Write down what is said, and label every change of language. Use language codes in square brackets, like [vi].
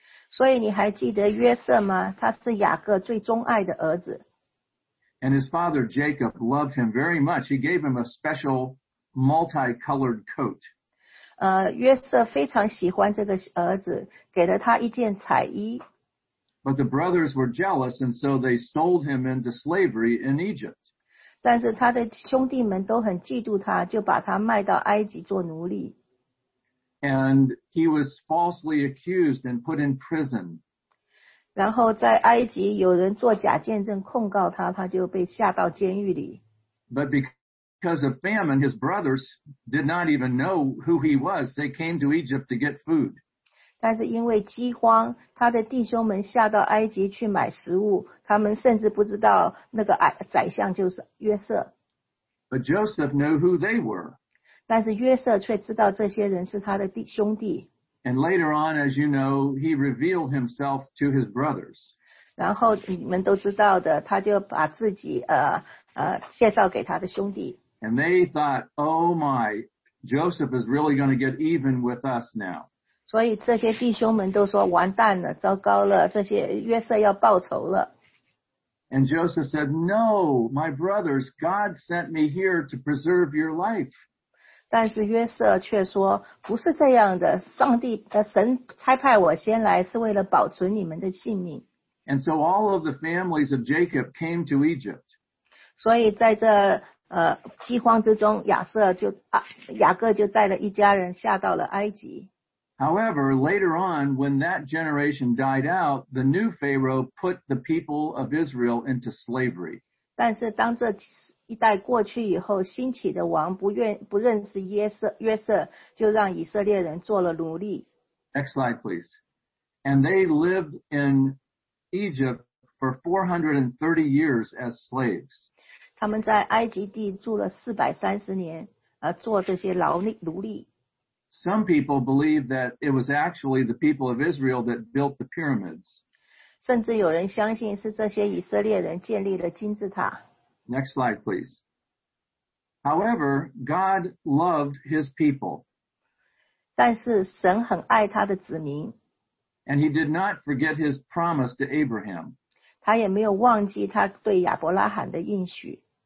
[zh] 所以你还记得约瑟吗？他是雅各最钟爱的儿子。 [en] And his father Jacob loved him very much. He gave him a special multicolored coat. [zh] 约瑟非常喜欢这个儿子，给了他一件彩衣。 [en] But the brothers were jealous, and so they sold him into slavery in Egypt. [zh] 但是他的兄弟们都很嫉妒他，就把他卖到埃及做奴隶。 [en] And he was falsely accused and put in prison. [zh] 然后在埃及有人做假见证控告他，他就被下到监狱里。 [en] But because of famine, his brothers did not even know who he was. They came to Egypt to get food. [zh] 但是因为饥荒，他的弟兄们下到埃及去买食物。他们甚至不知道那个宰相就是约瑟。 [en] But Joseph knew who they were. [zh] 但是约瑟却知道这些人是他的兄弟。 [en] And later on, as you know, he revealed himself to his brothers. [zh] 然后你们都知道的，他就把自己介绍给他的兄弟。 [en] And they thought, oh my, Joseph is really going to get even with us now. [zh] 所以这些弟兄们都说完蛋了，糟糕了，这些约瑟要报仇了。 [en] And Joseph said, no, my brothers, God sent me here to preserve your life. [zh] 但是约瑟却说，不是这样的，上帝的神差派我先来是为了保存你们的性命。 [en] And so all of the families of Jacob came to Egypt. [zh] 所以在这饥荒之中，雅各就带了一家人下到了埃及。 [en] However, later on, when that generation died out, the new Pharaoh put the people of Israel into slavery. [zh] 但是当这一代过去以后，新起的王不认识约瑟，就让以色列人做了奴隶。 [en] Next slide, please. And they lived in Egypt for 430 years as slaves. [zh] 他们在埃及地住了430年，做这些奴隶。 [en] Some people believe that it was actually the people of Israel that built the pyramids. [zh] 甚至有人相信是这些以色列人建立了金字塔。 [en] Next slide, please. However, God loved his people. [zh] 但是神很爱他的子民。 [en] And he did not forget his promise to Abraham. [zh] 他也没有忘记他对亚伯拉罕的应许。